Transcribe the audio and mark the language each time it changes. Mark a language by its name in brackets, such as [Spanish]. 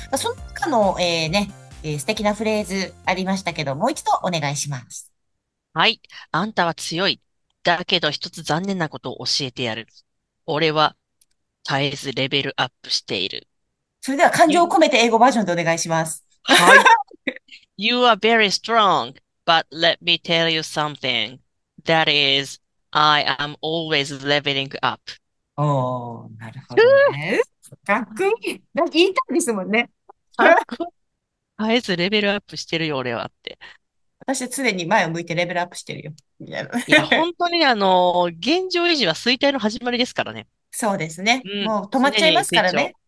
[Japanese] その他の、ね、素敵なフレーズありましたけど、もう一度お願いします。はい、あんたは強い、だけど一つ残念なことを教えてやる、俺は絶えずレベルアップしている。それでは感情を込めて英語バージョンでお願いします。はい。 [English] You are very strong, but let me tell you something. That is, I am always leveling up. [Japanese] おー、なるほどね。かっこいい。なんか言いたいですもんね。あえずレベルアップしてるよ、俺はって。私は常に前を向いてレベルアップしてるよ。いや、本当に現状維持は衰退の始まりですからね。そうですね。うん、もう止まっちゃいますからね。